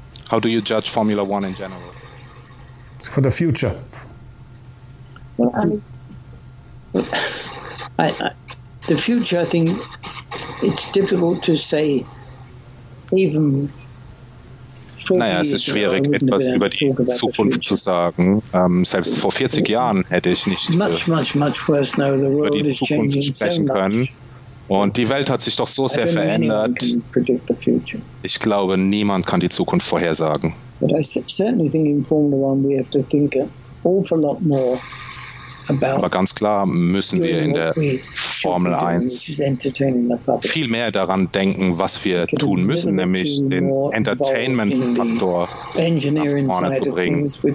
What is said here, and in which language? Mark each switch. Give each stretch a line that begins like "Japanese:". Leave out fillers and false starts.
English: How do you judge Formula One in general? For the future. Well, the future, I think, it's difficult to say even...
German: Naja, es ist schwierig, etwas über die Zukunft zu sagen. Selbst vor 40 Jahren hätte ich nicht über die Zukunft sprechen können. Und die Welt hat sich doch so sehr verändert. Ich glaube, niemand kann die Zukunft vorhersagen.
English: But I certainly think in Formula One we have to think an awful lot more.
German: Aber ganz klar müssen wir in der Formel 1 viel mehr daran denken, was wir tun müssen, nämlich den Entertainment-Faktor nach vorne zu bringen.